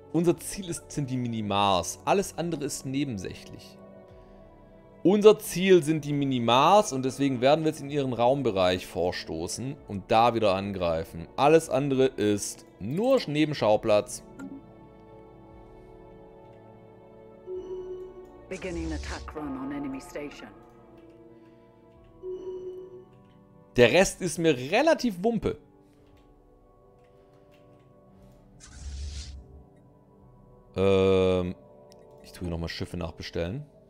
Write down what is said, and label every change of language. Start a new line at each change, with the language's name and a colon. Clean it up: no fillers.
German: Unser Ziel sind die Mini-Mars. Alles andere ist nebensächlich. Unser Ziel sind die Mini-Mars und deswegen werden wir jetzt in ihren Raumbereich vorstoßen und da wieder angreifen. Alles andere ist nur Nebenschauplatz.
English: Beginning attack run on enemy station.
German: Der Rest ist mir relativ Wumpe. Ich tue hier nochmal Schiffe nachbestellen.